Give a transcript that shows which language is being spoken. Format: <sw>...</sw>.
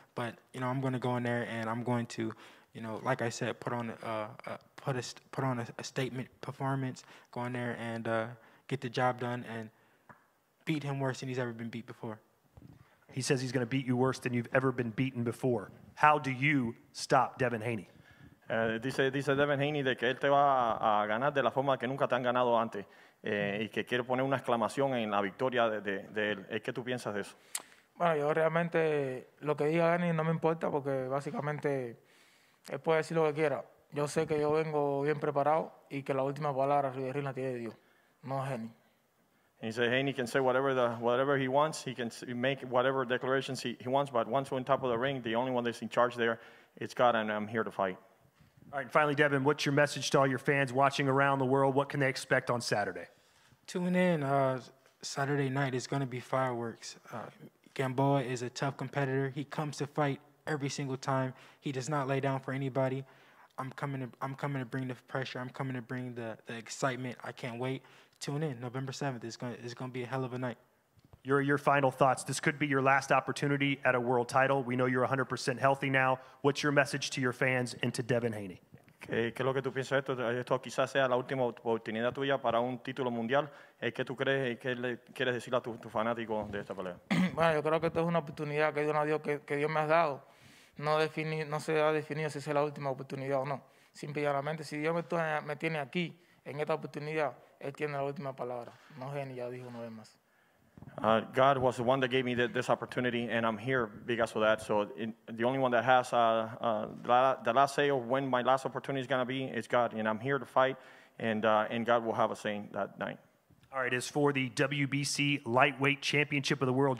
<en>But, you know, I'm going to go in there and I'm going to, you know, like I said, put on a statement performance, go in there and get the job done and beat him worse than he's ever been beat before. He says he's going to beat you worse than you've ever been beaten before. How do you stop Devin Haney?</en> <es>Dice Devin Haney de que él te va a ganar de la forma que nunca te han ganado antes, y que quiere poner una exclamación en la victoria de él. ¿Qué tú piensas de eso? Bueno, yo realmente lo que diga Dani no me importa, porque básicamente él puede decir lo que quiera. Yo sé que yo vengo bien preparado y que la última palabra Riverina tiene Dios, no Haney.</es> <en>And he said, Haney can say whatever he wants. He can make whatever declarations he wants. But once we're on top of the ring, the only one that's in charge there, it's God, and I'm here to fight. All right, and finally, Devin, what's your message to all your fans watching around the world? What can they expect on Saturday? Tune in. Saturday night is going to be fireworks. Gamboa is a tough competitor. He comes to fight every single time. He does not lay down for anybody. I'm coming to bring the pressure. I'm coming to bring the excitement. I can't wait. Tune in. November 7th is going to be a hell of a night. Your final thoughts. This could be your last opportunity at a world title. We know you're 100% healthy now. What's your message to your fans and to Devin Haney?</en> <es>¿Qué es lo que tú piensas esto? Esto quizás sea la última oportunidad tuya para un título mundial. ¿Qué tú crees? ¿Qué le quieres decir a tu fanático de esta pelea? Bueno, yo creo que esto es una oportunidad que Dios me ha dado. No se ha definido si es la última oportunidad o no. Simplemente, si Dios me tiene aquí en esta oportunidad, Él tiene la última palabra. No sé ni ya dijo una vez más.</es> <en>God was the one that gave me this opportunity, and I'm here because of that. So the only one that has the last say of when my last opportunity is going to be is God, and I'm here to fight, and God will have a say that night. All right, it's for the WBC Lightweight Championship of the World.</en>